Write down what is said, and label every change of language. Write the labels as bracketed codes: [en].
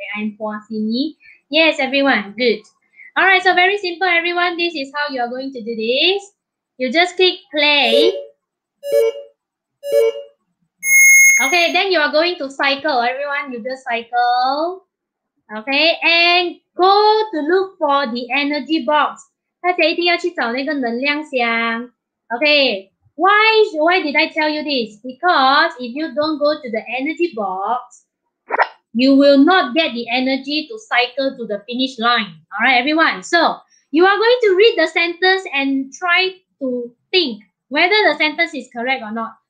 [en] I'm for Singy. Yes, everyone, good. All right, so very simple, everyone. This is how you're going to do this. You just click play. Okay, then you are going to cycle, everyone. You just cycle. Okay, and go to look for the energy box. [zh] 大家一定要去找那个能量箱. [en] Okay, why did I tell you this? Because if you don't go to the energy box, you will not get the energy to cycle to the finish line. All right, everyone. So You are going to read the sentence and try to think whether the sentence is correct or not.